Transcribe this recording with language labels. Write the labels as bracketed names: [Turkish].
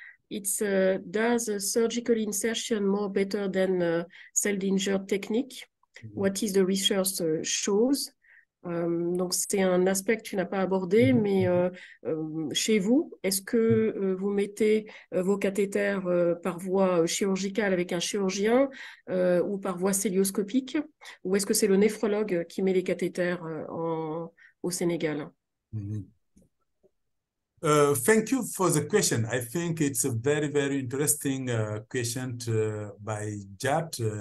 [English] It's does a surgical insertion more better than cell danger technique? What is the research shows? [French] Donc, c'est un aspect que tu n'as pas abordé, mais chez vous, est-ce que vous mettez vos cathéters par voie chirurgicale avec un chirurgien ou par voie cœlioscopique? Ou est-ce que c'est le néphrologue qui met les cathéters au Sénégal? [English] Thank you for the question. I think it's a very, very interesting question by Jat.